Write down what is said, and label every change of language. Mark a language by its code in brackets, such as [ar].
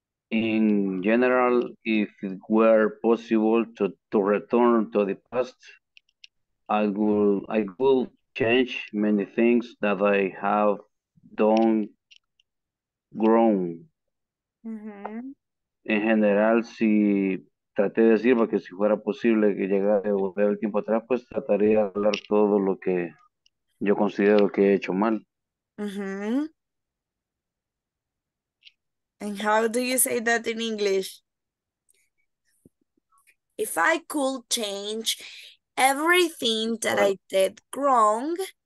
[en] In general, if it were possible to return to the past, I would change many things that I have done grown. [es] En general, si traté de decir, porque si fuera posible que llegara a volver el tiempo atrás, pues trataría de hablar todo lo que yo considero que he hecho mal. [en] And how do you say that in English? If I could change everything that I did wrong.